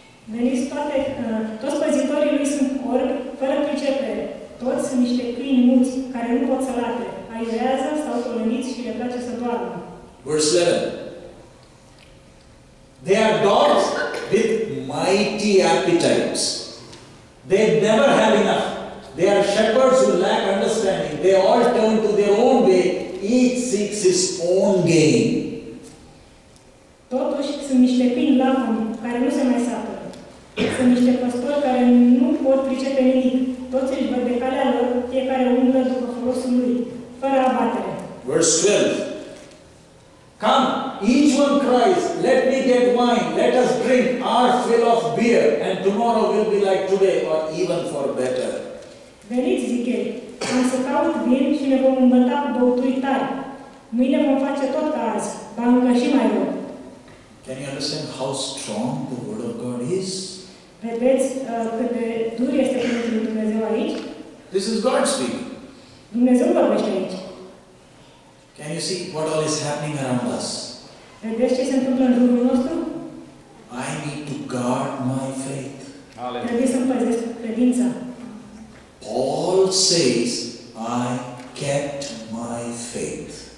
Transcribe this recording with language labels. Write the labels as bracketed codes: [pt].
[ro] Veniți toate, toți păzitorii lui sunt orbi, fără pricepere. Toți sunt niște câini muți, care nu pot să late. Aiurează, stau toleniți și le place să doarmă. [en] Verse 7. They are dogs with mighty appetites. They never have enough. They are shepherds who lack understanding. They all turn to their own way. Each seeks his own gain. [ro] Totuși sunt niște câini lacomi, care nu se mai sapă. Sunt niște păstori care nu pot pricepe nimic. Toți își văd de calea lor, fiecare umblă după folosul lui, fără abatere. [en] Verse 12. Come, each one cries, let me get wine, let us drink our fill of beer, and tomorrow will be like today, or even for better. [ro] Veniți, zic ei, am să caut vin și ne vom îmbăta cu băuturi tari. Mâine vom face tot ca azi, ba încă și mai rău. [en] Can you understand how strong the word of God is? [ro] Vedeți cât de dur este cuvântul lui Dumnezeu aici? [en] This is God speaking. [ro] Dumnezeu vorbește aici. [en] Can you see what all is happening around us? [ro] Vedeți ce se întâmplă în jurul nostru? [en] I need to guard my faith. [ro] Trebuie să-mi păzesc credința. [en] Paul says, I kept my faith.